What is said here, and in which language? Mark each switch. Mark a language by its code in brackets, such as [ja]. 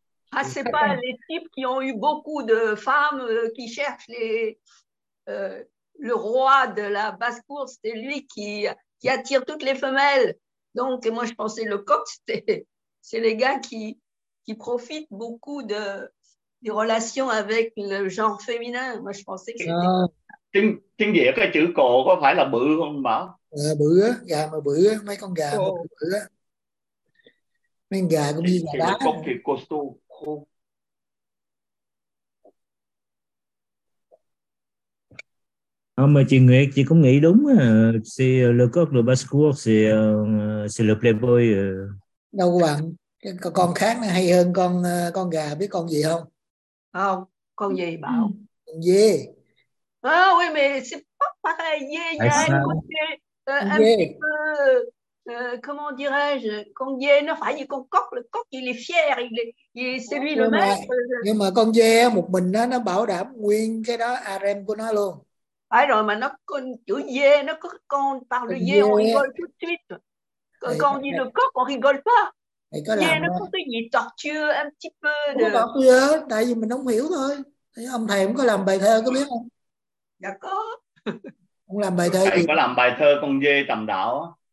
[fr] Ah, c'est pas les types qui ont eu beaucoup de femmes qui cherchent le roi de la basse-cour, c'était lui qui attire toutes les femelles. Donc, moi, je pensais le coq, c'est les gars qui profitent beaucoup des relations avec le genre féminin. Moi, je pensais que c'était... [vi] Tiếng Việt cái chữ cồ có phải là bự không Bảo? Bự, gà mà bự, mấy con gà mà bự. Mấy con gà cũng như là đá. Coq thì costo. Không, mà chị Nguyệt, chị cũng nghĩ đúng. [fr] C'est le coq, le basse-cour, c'est le playboy. [vi] Đâu bạn, con khác này hay hơn con gà, biết con gì không? Không, con gì Bảo? Con dê. [fr] Ah oui, mais c'est pas pareil. Il y a un côté un petit peu, comment dirais-je, con dê, non, [vi] phải, con [fr] coq, le coq, il est fier, c'est lui le maître. [vi] Nhưng mà con dê một mình đó, nó bảo đảm nguyên cái đó, harem của nó luôn. Ah, rồi, mà nó, con, chữ dê, nó có con, [fr] par le dê, on rigole tout de suite. Quand on dit le coq, on rigole pas. [vi] Dê, nó có cái gì torture, [fr] un petit peu. [vi] Không có torture, tại vì mình không hiểu thôi. Ông thầy cũng có làm bài thơ, có biết không? Dạ có. Làm bài thơ có làm bài thơ con dê tầm đảo.